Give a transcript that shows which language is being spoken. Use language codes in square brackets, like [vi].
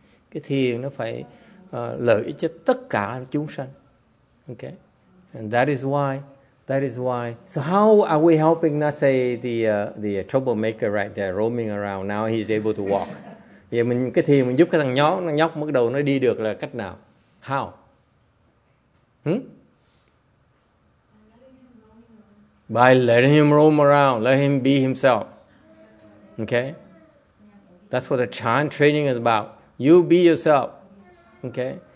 [vi] Cái thiền nó phải lợi ích cho tất cả chúng sanh. [en] Okay? And that is why. So how are we helping, let's say, the troublemaker right there roaming around? Now he's able to walk. [vi] Vậy mình cái thiền mình giúp cái thằng nhóc bắt đầu nó đi được là cách nào? [en] How? By letting him roam around, let him be himself. Okay? That's what the chan training is about. You be yourself. Okay?